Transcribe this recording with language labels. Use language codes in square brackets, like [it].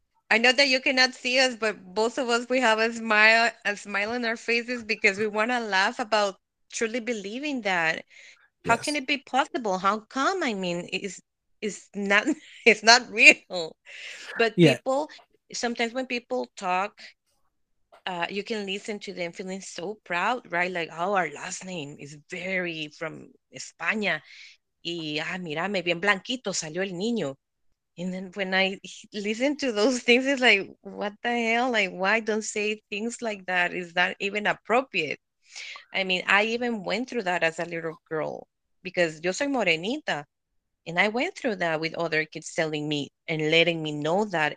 [en] I know that you cannot see us, but both of us, we have a smile on our faces because we want to laugh about truly believing that. How can it be possible? How come? I mean, it's not real. But people, sometimes when people talk, you can listen to them feeling so proud, right? Like, oh, our last name is very from España. [es] Y, mira, me bien blanquito salió el niño. [en] And then when I listen to those things, it's like, what the hell? Like, why don't say things like that? Is that even appropriate? I mean, I even went through that as a little girl because [es] yo soy morenita. [en] And I went through that with other kids telling me and letting me know that.